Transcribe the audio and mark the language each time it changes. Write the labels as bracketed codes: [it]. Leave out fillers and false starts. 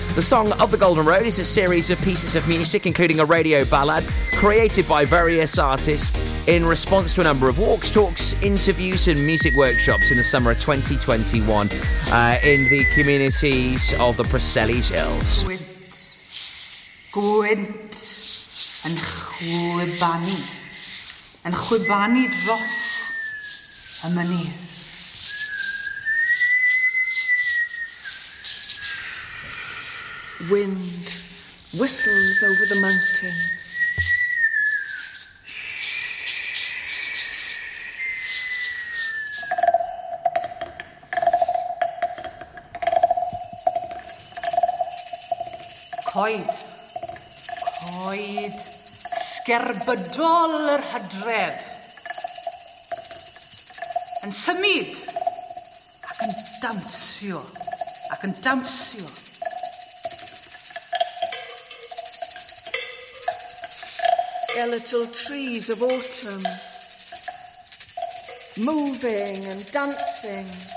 [en] The song of the Golden Road is a series of pieces of music, including a radio ballad created by various artists in response to a number of walks, talks, interviews and music workshops in the summer of 2021 in the communities of the Preseli Hills. [cy] Gwynt yn chwbannu, yn chwbannu dros y mynydd. [en] Wind whistles over the mountain. [cy] Coed, coed, sgerbydol yr hydref, yn symud ac yn dawnsio, ac yn dawnsio. [en] Skeletal trees of autumn, moving and dancing.